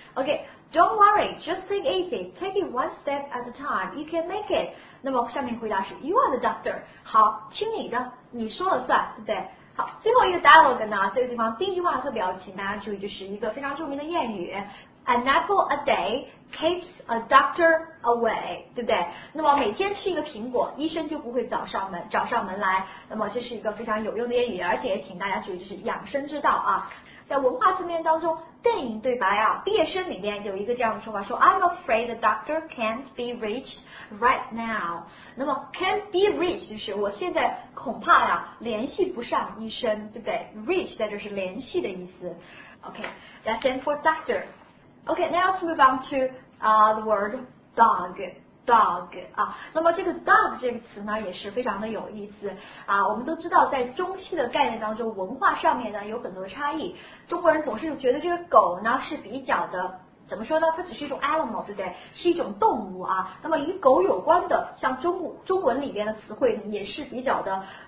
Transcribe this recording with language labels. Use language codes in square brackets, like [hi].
[en] OK, don't worry, just take easy, take it one step at a time, you can make it. [zh] 那么下面回答是 [en] you are the doctor, [zh] 好，听你的，你说了算，对不对？好，最后一个 dialogue 呢，这个地方第一句话特别要请大家注意，就是一个非常著名的谚语。 [en] An apple a day keeps a doctor away, [zh] 对不对？那么每天吃一个苹果，医生就不会找上门来。那么这是一个非常有用的谚语，而且也请大家注意，就是养生之道啊。在文化层面当中，电影对白啊，毕业生里面有一个这样的说法，说 [en] I'm afraid the doctor can't be reached right now. [zh] 那么 can't be reached 就是我现在恐怕呀、联系不上医生，对不对？ [en] Reach [zh] 在这是联系的意思。 [en] OK, that's end for doctor. Okay, now let's move on to the word dog. Dog. [zh] 啊，那么这个 dog 这个词呢，也是非常的有意思。啊，我们都知道，在中西的概念当中，文化上面呢有很多差异。中国人总是觉得这个狗呢是比较的，怎么说呢？它只是一种 animal, 对不对？是一种动物啊。那么与狗有关的，像中文里边的词汇也是比较的。